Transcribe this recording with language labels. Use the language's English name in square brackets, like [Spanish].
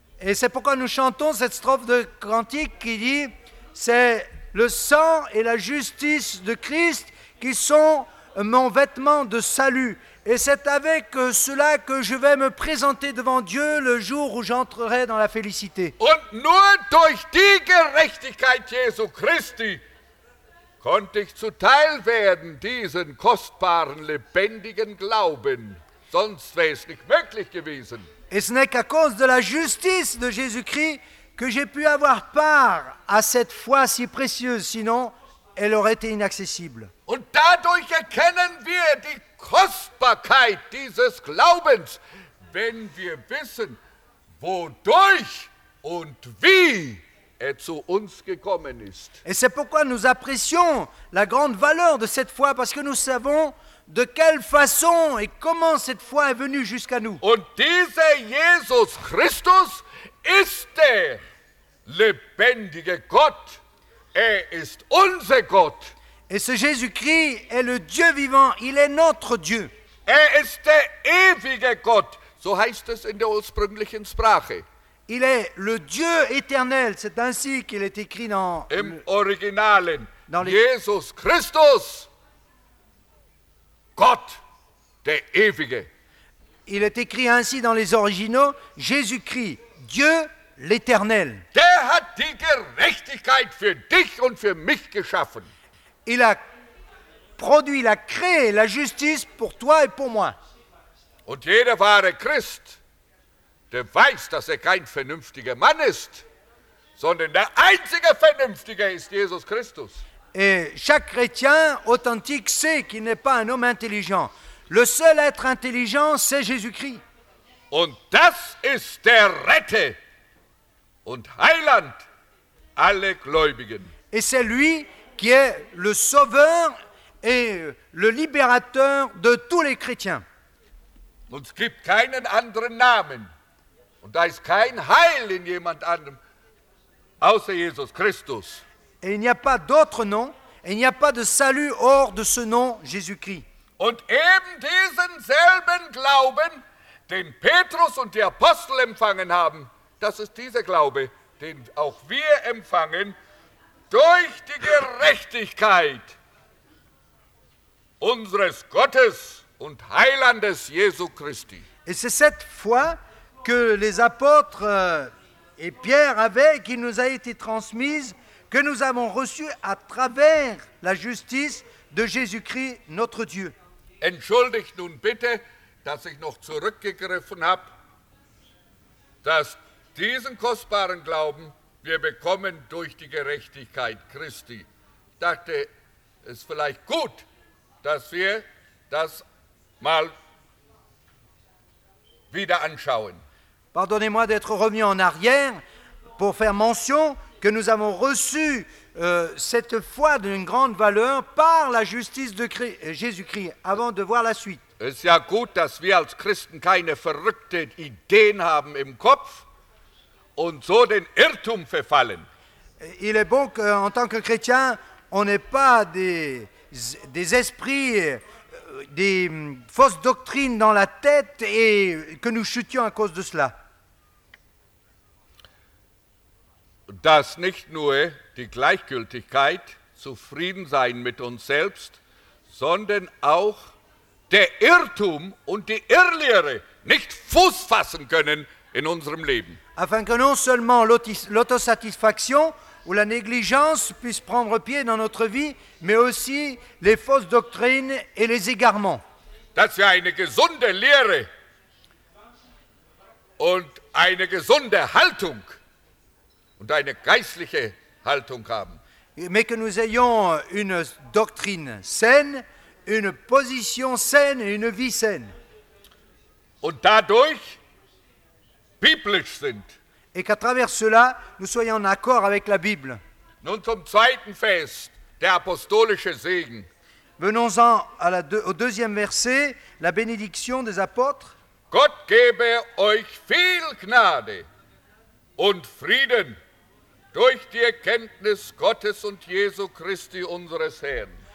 [French] Et c'est pourquoi nous chantons cette strophe de cantique qui dit, c'est le sang et la justice de Christ qui sont mon vêtement de salut. Et c'est avec cela que je vais me présenter devant Dieu le jour où j'entrerai dans la félicité. [German] Und nur durch die Gerechtigkeit Jesu Christi konnte ich zuteil werden, diesen kostbaren, lebendigen Glauben. Sonst wäre es nicht möglich gewesen. [French] Et ce n'est qu'à cause de la justice de Jésus-Christ que j'ai pu avoir part à cette foi si précieuse, sinon elle aurait été inaccessible. [German] Und dadurch erkennen wir die Kostbarkeit dieses Glaubens, wenn wir wissen, wodurch und wie er zu uns gekommen ist. [French] Et c'est pourquoi nous apprécions la grande valeur de cette foi, parce que nous savons de quelle façon et comment cette foi est venue jusqu'à nous. [German] Und dieser Jesus Christus ist der lebendige Gott. Er ist unser Gott. [French] Et ce Jésus-Christ est le Dieu vivant. Il est notre Dieu. [German] Er ist der ewige Gott. So heißt es in der ursprünglichen Sprache. [French] Il est le Dieu éternel, c'est ainsi qu'il est écrit dans [German] im Originalen. [French] Dans les... [German] Jesus Christus, Gott, der Ewige. [French] Il est écrit ainsi dans les originaux, Jésus-Christ, Dieu l'Éternel. [German] Der hat die Gerechtigkeit für dich und für mich geschaffen. [French] Il a produit, il a créé la justice pour toi et pour moi. [German] Und jeder wahre Christ, der weiß, dass kein vernünftiger Mann ist, sondern der einzige Vernünftige ist Jesus Christus. [French] Et chaque chrétien authentique sait qu'il n'est pas un homme intelligent. Le seul être intelligent, c'est Jésus-Christ. [German] Und das ist der Retter und Heiland aller Gläubigen. [French] Et c'est lui qui est le sauveur et le libérateur de tous les chrétiens. [German] Und es gibt keinen anderen Namen. Und da ist kein Heil in jemand anderem außer Jesus Christus. [French] Et il n'y a pas d'autre nom, et il n'y a pas de salut hors de ce nom Jésus-Christ. [German] Und eben diesen selben Glauben, den Petrus und die Apostel empfangen haben, das ist dieser Glaube, den auch wir empfangen, durch die Gerechtigkeit unseres Gottes und Heilandes Jesu Christi. [French] Et c'est cette foi que les apôtres et Pierre avaient, qui nous a été transmise, que nous avons reçue à travers la justice de Jésus-Christ, notre Dieu. [German] Entschuldigt nun bitte, dass ich noch zurückgegriffen habe, dass diesen kostbaren Glauben wir bekommen durch die Gerechtigkeit Christi. Ich dachte, es ist vielleicht gut, dass wir das mal wieder anschauen. [French] Pardonnez-moi d'être revenu en arrière pour faire mention que nous avons reçu cette foi d'une grande valeur par la justice de Jésus-Christ avant de voir la suite. [German] Es ja gut, dass wir als Christen keine verrückten Ideen haben im Kopf und so den Irrtum verfallen. [French] Il est bon qu'en tant que chrétien, on n'ait pas des esprits, des fausses doctrines dans la tête et que nous chutions à cause de cela. [German] Dass nicht nur die Gleichgültigkeit, zufrieden sein mit uns selbst, sondern auch der Irrtum und die Irrlehre nicht Fuß fassen können in unserem Leben. [French] Afin que non seulement l'autosatisfaction ou la négligence puisse prendre pied dans notre vie, mais aussi les fausses doctrines et les égarements. [German] Dass wir eine gesunde Lehre und eine gesunde Haltung und eine geistliche Haltung haben. [French] Mais que nous ayons une doctrine saine, une position saine et une vie saine. [German] Und dadurch biblisch sind. [French] Et qu'à travers cela, nous soyons en accord avec la Bible. [German] Nun zum zweiten Fest, der apostolische Segen. [French] Venons-en au deuxième verset, la bénédiction des apôtres. [German] Gott gebe euch viel Gnade und Frieden durch die Erkenntnis Gottes und Jesu Christi unseres Herrn.